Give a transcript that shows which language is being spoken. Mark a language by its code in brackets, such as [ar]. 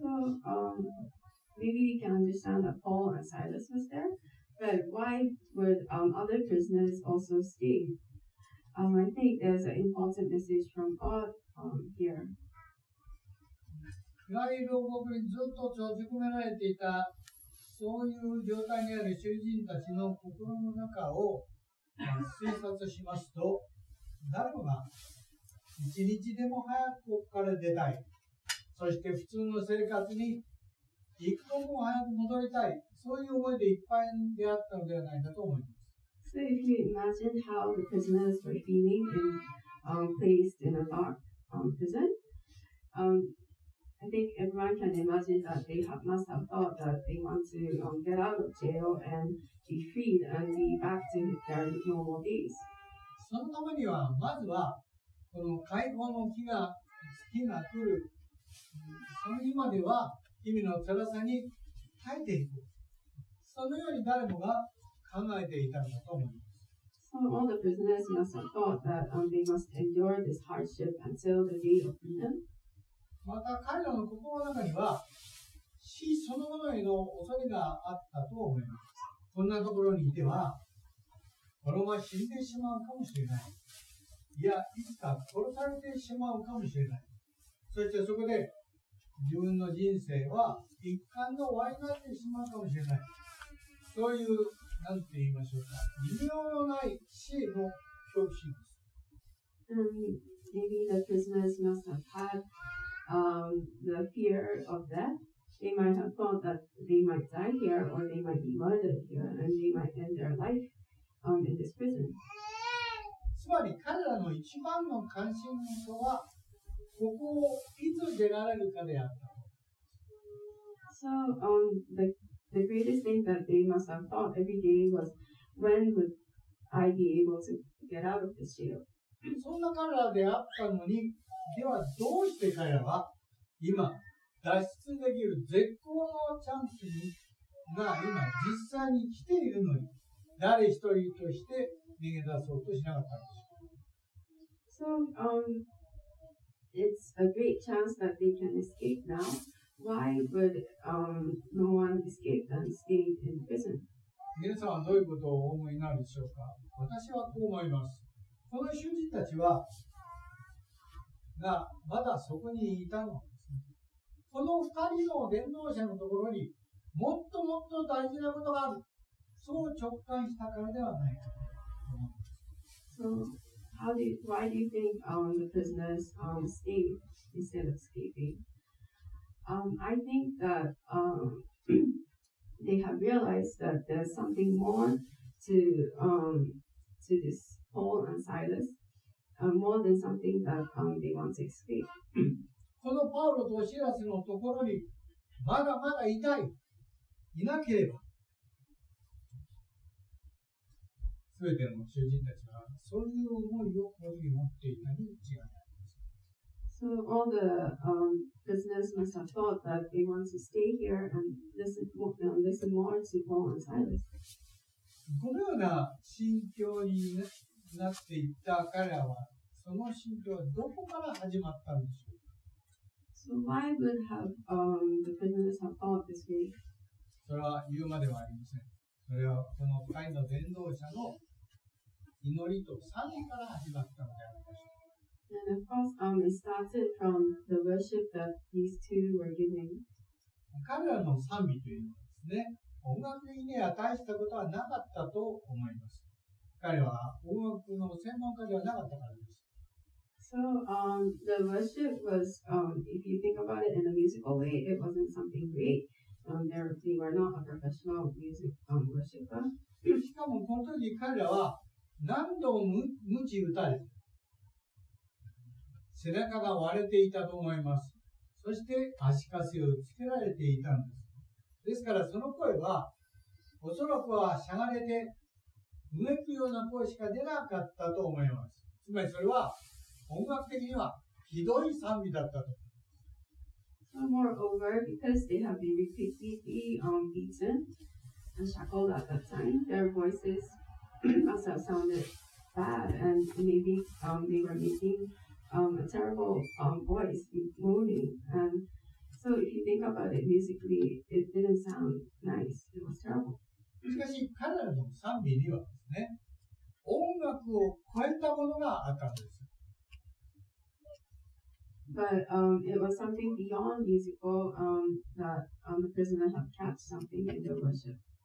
[en] So, maybe we can understand that Paul and Silas was there, but why would other prisoners also stay? I think there's an important message from God here. [ja] 暗い牢獄にずっと閉じ込められていた、そういう状態にある囚人たちの心の中を推察しますと、誰もが一日でも早くここから出たい、そして普通の生活に一刻も早く戻りたい、そういう思いでいっぱいであったのではないかと思います。 [en] So if you imagine how the prisoners were feeling in, placed in a dark, prison, I think everyone can imagine that they must have thought that they want to get out of jail and be freed and be back to their normal days. [ja] そのためには、まずはこの解放の日が月が来る、その日までは日々の辛さに耐えていく。そのように誰もが考えていたんだと思います。 [en] So all the prisoners must have thought that they must endure this hardship until the day of freedom. [ja] また彼らの心の中には死そのものへの恐れがあったと思います。こんなところにいては、このまま死んでしまうかもしれない。いや、いつか殺されてしまうかもしれない。そしてそこで自分の人生は一巻の終わりになってしまうかもしれない。そういう、なんて言いましょうか、微妙のない死の恐怖心です。 [en] Maybe the prisoners must have had. The fear of death. They might have thought that they might die here, or they might be murdered here, and they might end their life in this prison. [ja] つまり彼らの一番の関心事はここをいつ出られるかであった。 [en] So the greatest thing that they must have thought every day was when would I be able to get out of this jail? [ja] そんな彼らであったのに。ではどうして彼らは今脱出できる絶好のチャンスが今実際に来ているのに誰一人として逃げ出そうとしなかったんでしょうか。 [en] So, it's a great chance that they can escape now. Why would, no one escape and stay in prison? [ja] 皆さんはどういうことをお思いになるでしょうか。私はこう思います。この囚人たちはがまだそこにいたのです、ね、この二人の伝道者のところにもっともっと大事なことがある、そう直感したからではないかと思います。 [en] So, why do you think the prisoners escaped instead of escaping? I think that they have realized that there's something more to this Paul and Silas, more than something that they want to escape. [ja] このパウロとシラスのところにまだまだいたい、いなければ、すべての囚人たちはそういう思いをここに持っていたに違いない。 [en] So all the prisoners must have thought that they want to stay here and listen more to Paul and Silas. [ja] このような心境になっていた彼らは、その心境はどこから始まったんでしょう。 [en] So why would have the prisoners have thought this way? [ja] それは言うまではありません。それはこの会の伝道者の祈りと賛美から始まったのであるでしょう。 [en] And of course, it started from the worship that these two were giving. [ja] 彼らの賛美というのはですね、音楽に値したことはなかったと思います。彼は音楽の専門家ではなかったからです。 [en] So, the worship was, if you think about it in a musical way, it wasn't something great. They were not a professional music, worshipper. [ja] しかもこの時彼らは何度も鞭打たれ、背中が割れていたと思います。そして足かせをつけられていたんです。ですからその声は、おそらくはしゃがれて、うめくような声しか出なかったと思います。つまりそれは、音楽的にはひどい賛美だったと。 [en] So moreover, because they have been repeatedly beaten and shackled at that time, their voices must have sounded bad and maybe they were makinga terrible voice moaning, and so if you think about it musically, it didn't sound nice. It was terrible. [ja] しかし彼らの賛美にはですね、音楽を超えたものがあったんです。 [en] But it was something beyond musical that the prisoner had catch something in their worship.